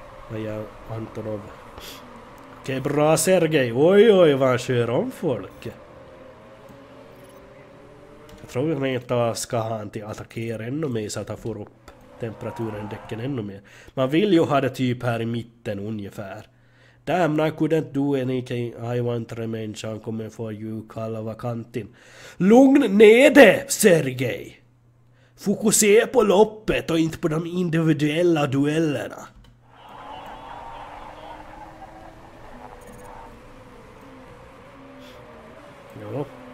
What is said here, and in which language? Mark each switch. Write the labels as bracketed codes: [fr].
[sv] Vad gör Antonov? Okej, bra Sergej! Oj, oj, vad han kör om folk! Jag tror att han inte ska han till attackera ännu mer så att han får upp temperaturen däcken ännu mer. Man vill ju ha det typ här i mitten ungefär. [en] Damn, I couldn't do anything. I want revenge. I'm coming for you, Kalava Kantin. [sv] Lugn nede, Sergej! Fokusera på loppet och inte på de individuella duellerna. Ja.